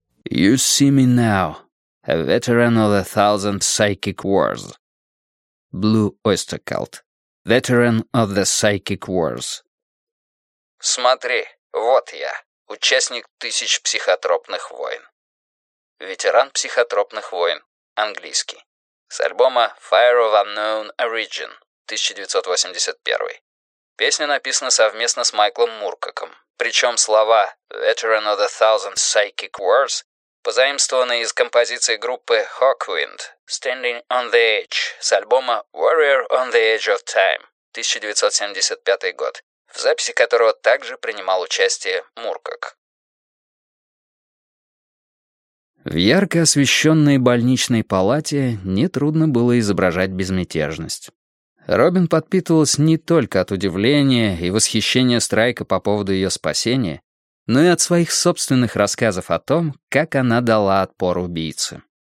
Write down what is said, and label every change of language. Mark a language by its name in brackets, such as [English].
[English] You see me now, a veteran of a thousand psychic wars. Blue Oyster Cult. Veteran of the psychic wars. [Russian] Смотри, вот я, участник тысяч психотропных войн. Ветеран психотропных войн. Английский. С альбома Fire of Unknown Origin 1981. Песня написана совместно с Майклом Муркаком. Причем слова «Veteran of the Thousand Psychic Wars» позаимствованы из композиции группы Hawkwind «Standing on the Edge» с альбома «Warrior on the Edge of Time» 1975 год, в записи которого также принимал участие Муркак. В ярко освещенной больничной палате нетрудно было изображать безмятежность. Робин подпитывалась не только от удивления и восхищения Страйка по поводу ее спасения, но и от своих собственных рассказов о том, как она дала отпор убийце.